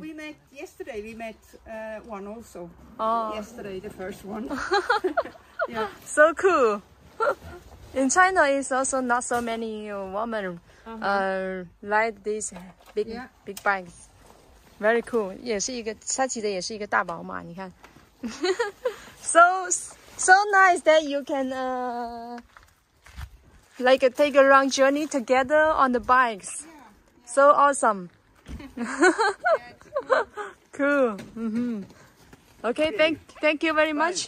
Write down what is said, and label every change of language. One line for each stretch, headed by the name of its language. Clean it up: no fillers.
English: We met yesterday. We met one also. Oh. Yesterday, the first one. Yeah. So cool. In China, it's also not so many women. Like this big bike, very cool.
Chinese: 也是一个，它骑的也是一个大宝马。你看
English: so nice that you can take a long journey together on the bikes. Yeah. So awesome. Cool. Mm-hmm. Okay. Thank you very much.